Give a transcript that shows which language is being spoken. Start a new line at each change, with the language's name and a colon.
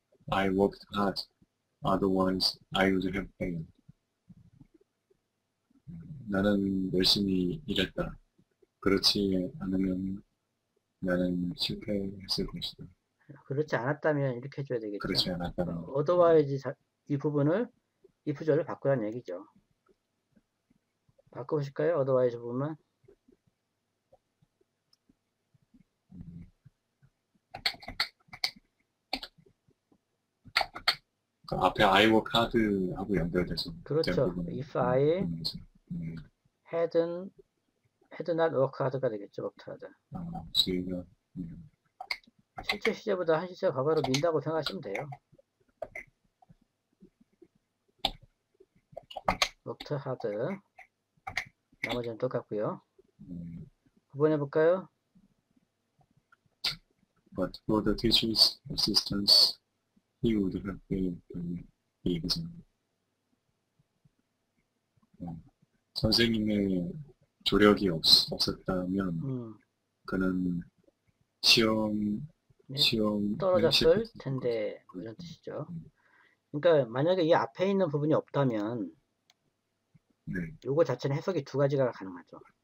English: I worked hard, otherwise I would have failed.
Korean: 나는 열심히 일했다. 그렇지 않으면 나는 실패했을 것이다. 그렇지 않았다면 이렇게 해줘야 되겠죠. 그렇지 않았다면. Otherwise 이 부분을 if절을 바꾸라는 얘기죠. 바꿔보실까요? Otherwise 부분만. 앞에
English: I work hard
Korean: 하고 연결돼서 그렇죠. 대부분
English: If I
Korean: 보면서
English: had not worked hard가
Korean: 되겠죠.
English: worked hard.
Korean: 아 지금 실제 시제보다 한 시제 과거로 민다고 생각하시면 돼요.
English: worked hard.
Korean: 나머지는 똑같고요. 9번 해볼까요?
English: But for the teacher's assistance, he would have been the exam.
Korean: 선생님의 조력이 없었다면, 그는 시험에 실패했을 떨어졌을 것이다. 텐데 뭐 이런 뜻이죠. 그러니까 만약에 이 앞에 있는 부분이 없다면 요거 자체는 해석이 두 가지가 가능하죠.